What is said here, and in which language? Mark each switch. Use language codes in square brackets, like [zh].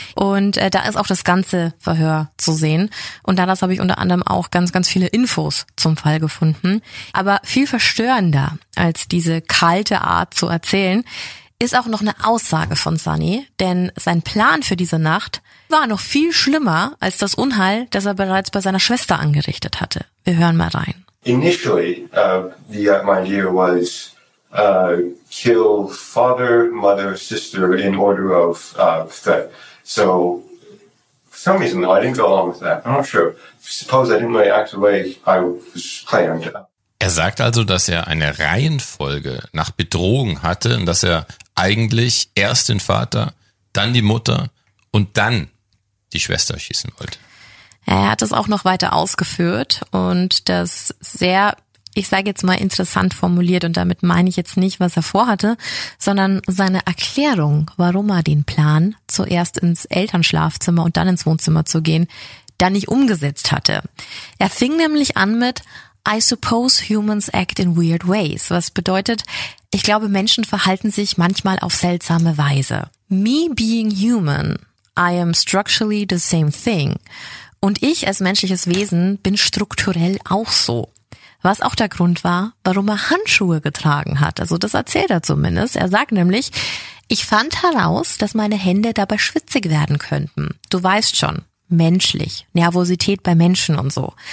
[de] Und da ist auch das ganze Verhör zu sehen. Und daraus habe ich unter anderem auch ganz, ganz viele Infos zum Fall gefunden. Aber viel verstörender als diese kalte Art zu erzählen, ist auch noch eine Aussage von Sonny. Denn sein Plan für diese Nacht war noch viel schlimmer als das Unheil, das er bereits bei seiner Schwester angerichtet hatte. Wir hören mal rein. [en] Initially, my idea was kill father, mother, sister in order of threat. So, for some reason, I didn't go along with that. I'm not sure. Suppose I didn't really act the way I was planned. [de] Er sagt also, dass er eine Reihenfolge nach Bedrohung hatte und dass er eigentlich erst den Vater, dann die Mutter und dann die Schwester schießen wollte. Er hat es auch noch weiter ausgeführt und das sehr, ich sage jetzt mal, interessant formuliert, und damit meine ich jetzt nicht, was er vorhatte, sondern seine Erklärung, warum er den Plan, zuerst ins Elternschlafzimmer und dann ins Wohnzimmer zu gehen, da nicht umgesetzt hatte. Er fing nämlich an mit [en] "I suppose humans act in weird ways", [de] was bedeutet, ich glaube, Menschen verhalten sich manchmal auf seltsame Weise. [en] Me being human, I am structurally the same thing. [de] Und ich als menschliches Wesen bin strukturell auch so. Was auch der Grund war, warum er Handschuhe getragen hat. Also das erzählt er zumindest. Er sagt nämlich, ich fand heraus, dass meine Hände dabei schwitzig werden könnten. Du weißt schon, menschlich, Nervosität bei Menschen und so.